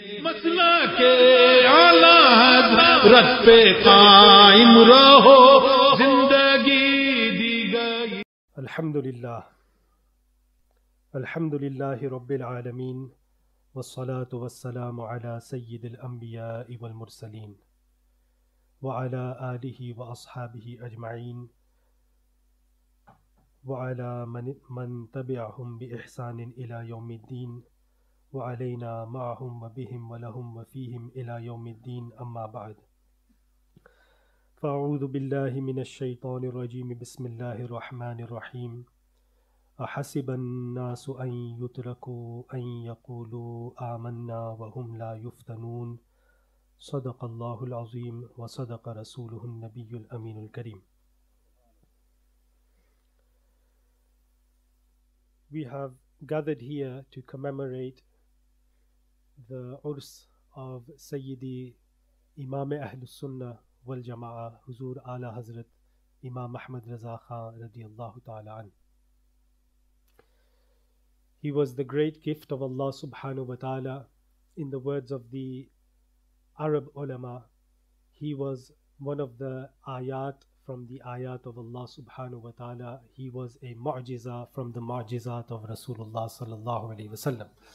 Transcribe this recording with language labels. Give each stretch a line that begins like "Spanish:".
Urdu: مسئلہ کے اعلی حضرت پہ قائم رہو زندگی دی گئی.
Arabic: الحمدللہ الحمدللہ رب العالمین والصلاة والسلام على سید الانبیاء والمرسلین وعلى آله وأصحابه أجمعين وعلى من تبعهم بإحسان إلى يوم الدين وعلينا معهم وبهم ولهم وفيهم إلى يوم الدين أما بعد فأعوذ بالله من الشيطان الرجيم بسم الله الرحمن الرحيم أحسب الناس أن يتركوا أن يقولوا آمنا وهم لا يفتنون صدق اللہ العظیم و صدق رسولہ النبی الامین الکریم.
English: We have gathered here to commemorate the urs of سیدی امام اہل السنہ والجماعہ حضور اعلی حضرت امام احمد رضا خان رضی اللہ تعالی عنہ. He was the great gift of Allah subhanahu wa ta'ala. In the words of the Arab ulama, he was one of the ayat from the ayat of Allah subhanahu wa ta'ala. He was a mu'jiza from the mu'jizat of Rasulullah sallallahu alayhi wa sallam.